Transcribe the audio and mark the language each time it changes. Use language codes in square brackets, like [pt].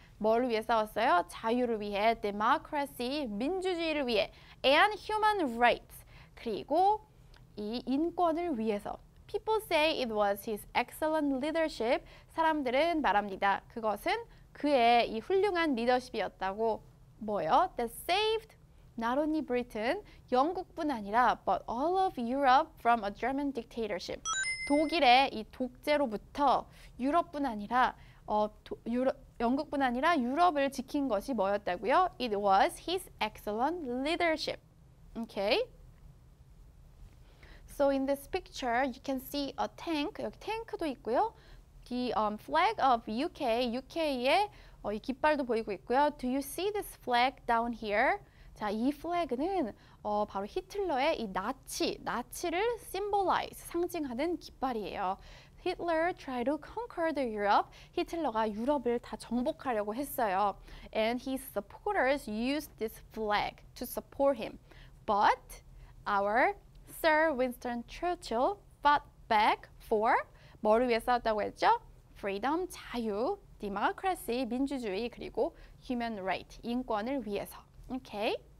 [ko] 뭘 위해 싸웠어요? 자유를 위해, democracy, 민주주의를 위해, [en] and human rights. [ko] 그리고 이 인권을 위해서. [en] People say it was his excellent leadership. [ko] 사람들은 말합니다. 그것은 그의 이 훌륭한 리더십이었다고. 뭐요? [en] That saved not only Britain, [ko] 영국뿐 아니라 [en] but all of Europe from a German dictatorship. [ko] 독일의 이 독재로부터 유럽뿐 아니라 영국뿐 아니라 유럽을 지킨 것이 뭐였다고요? [en] It was his excellent leadership. Okay. So in this picture, you can see a tank. [ko] 여기 탱크도 있고요. [en] The flag of UK, [ko] UK의 이 깃발도 보이고 있고요. [en] Do you see this flag down here? [ko] 자, 이 flag는 바로 히틀러의 이 나치를 symbolize, 상징하는 깃발이에요. [en] Hitler tried to conquer the Europe. [ko] 히틀러가 유럽을 다 정복하려고 했어요. [en] And his supporters used this flag to support him. But our Sir Winston Churchill fought back for [ko] 뭐를 위해 싸웠다고 했죠? Freedom, 자유, democracy, 민주주의, 그리고 human right, 인권을 위해서. Okay.